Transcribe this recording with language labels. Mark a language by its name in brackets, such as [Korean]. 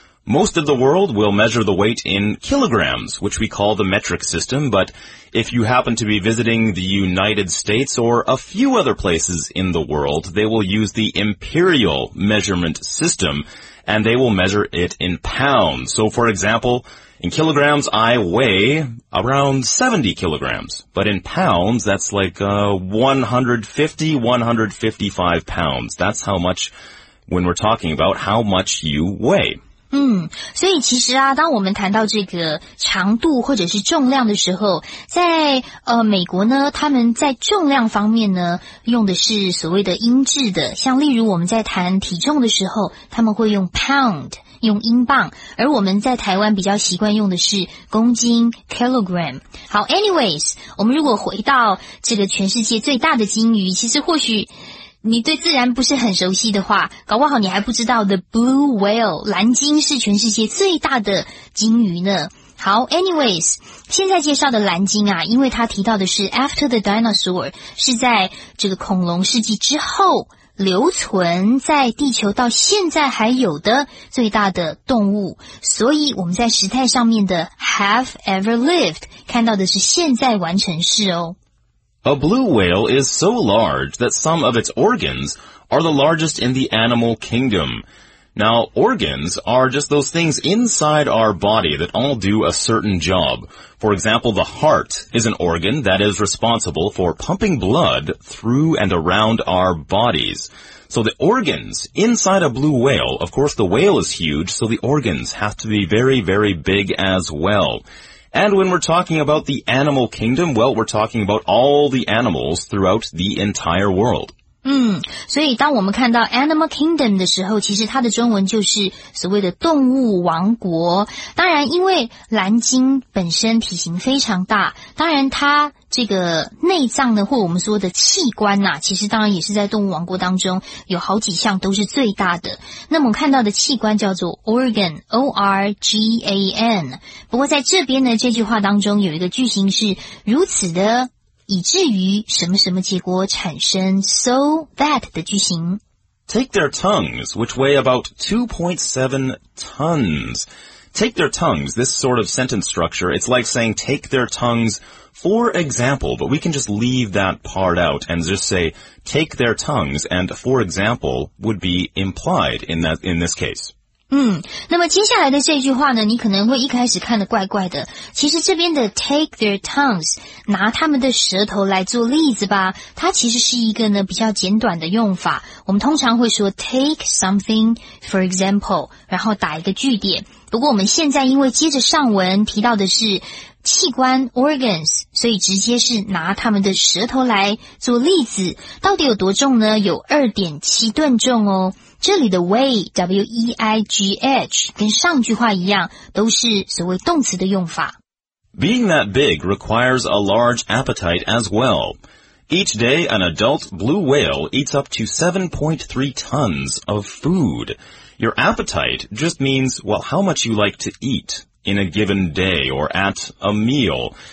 [English] Most of the world will measure the weight in kilograms, which we call the metric system, but if you happen to be visiting the United States or a few other places in the world, they will use the imperial measurement system, and they will measure it in pounds. So, for example, in kilograms, I weigh around 70 kilograms, but in pounds, that's like 150, 155 pounds. That's how much, when we're talking about how much you weigh. [Chinese] 所以其实啊，当我们谈到这个长度或者是重量的时候，在美国呢，他们在重量方面呢，用的是所谓的英制的。像例如我们在谈体重的时候，他们会用 pound， 用英镑，而我们在台湾比较习惯用的是公斤 kilogram。好 ，anyways， 我们如果回到这个全世界最大的鲸鱼，其实或许。你对自然不是很熟悉的话，搞不好你还不知道 [English] the blue whale, [Chinese] 蓝鲸是全世界最大的鲸鱼呢。好 ,anyways, 现在介绍的蓝鲸啊，因为它提到的是 [English] after the dinosaur, [Chinese] 是在这个恐龙世纪之后留存在地球到现在还有的最大的动物。所以我们在时态上面的 [English] have ever lived, [Chinese] 看到的是现在完成式哦。 [English] A blue whale is so large that some of its organs are the largest in the animal kingdom. Now, organs are just those things inside our body that all do a certain job. For example, the heart is an organ that is responsible for pumping blood through and around our bodies. So the organs inside a blue whale, of course the whale is huge, so the organs have to be very, very big as well. And when we're talking about the animal kingdom, well, we're talking about all the animals throughout the entire world. [Chinese] 嗯，所以当我们看到 [English] Animal Kingdom [Chinese] 的时候，其实它的中文就是所谓的动物王国。当然因为蓝鲸本身体型非常大，当然它这个内脏呢，或我们说的器官啊，其实当然也是在动物王国当中有好几项都是最大的。那么看到的器官叫做 organ, O-R-G-A-N。不过在这边呢，这句话当中有一个句型是如此的以至于什么什么结果产生 [English] so that [Chinese] 的句型。 [English] Take their tongues, which weigh about 2.7 tons. Take their tongues, this sort of sentence structure, it's like saying take their tongues for example, but we can just leave that part out and just say take their tongues, and for example would be implied in this case. [Chinese] 嗯，那么接下来的这句话呢，你可能会一开始看得怪怪的。其实这边的 [English] take their tongues, [Chinese] 拿他们的舌头来做例子吧，它其实是一个呢比较简短的用法。我们通常会说 [English] take something for example, [Chinese] 然后打一个句点。不过我们现在因为接着上文提到的是器官 organs, 所以直接是拿他们的舌头来做例子。到底有多重呢？有 2.7 吨重哦。这里的 weigh, W-E-I-G-H, 跟上句话一样，都是所谓动词的用法。 [English] Being that big requires a large appetite as well. Each day, an adult blue whale eats up to 7.3 tons of food. Your appetite just means, well, how much you like to eat in a given day or at a meal.